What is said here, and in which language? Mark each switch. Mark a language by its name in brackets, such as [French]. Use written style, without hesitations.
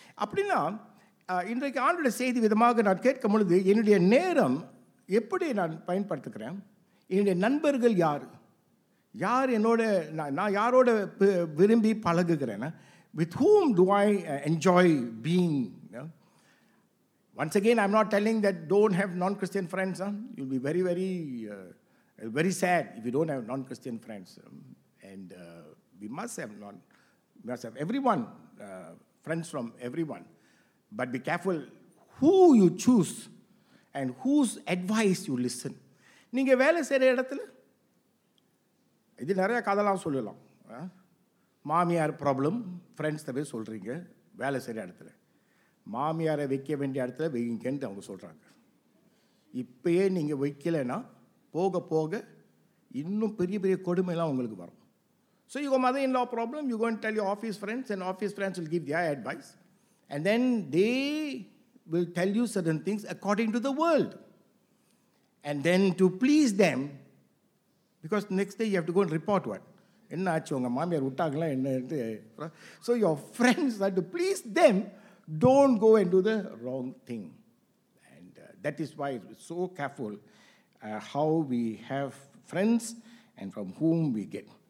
[Tamil] அப்படின்னா இன்றைக்கு ஆண்டோட செய்தி விதமாக நான் கேட்கும் பொழுது என்னுடைய நேரம் எப்படி நான் பயன்படுத்துகிறேன், என்னுடைய நண்பர்கள் யார், யார் என்னோட, நான் யாரோட விரும்பி பழகுகிறேன்னா, [English] With whom do I enjoy being. Once again, I'm not telling that don't have non-Christian friends. You'll be very, very, very sad if you don't have non-Christian friends. And we must have everyone, friends from everyone. But be careful who you choose and whose advice you listen. [Tamil] நீங்கள் வேலை செய்கிற இடத்துல இது நிறைய கதைலாம் சொல்லலாம். மாமியார் problem, friends தவிர சொல்கிறீங்க வேலை செய்கிற இடத்துல. மாமியாரை வைக்க வேண்டிய இடத்துல வைங்கன்ட்டு அவங்க சொல்கிறாங்க. இப்போயே நீங்கள் வைக்கலைன்னா போக போக இன்னும் பெரிய பெரிய கொடுமைலாம் உங்களுக்கு வரும். [English] so your mother in law problem, you gonna tell you office friends and office friends will give their advice and then they will tell you certain things according to the world and then to please them because next day you have to gonna report what [Tamil] என்ன ஆச்சு, உங்கள் மாமியார் விட்டாங்களாம் என்னன்ட்டு. [English] So your friends are to please them, don't go and do the wrong thing and That is why we're so careful how we have friends and from whom we get.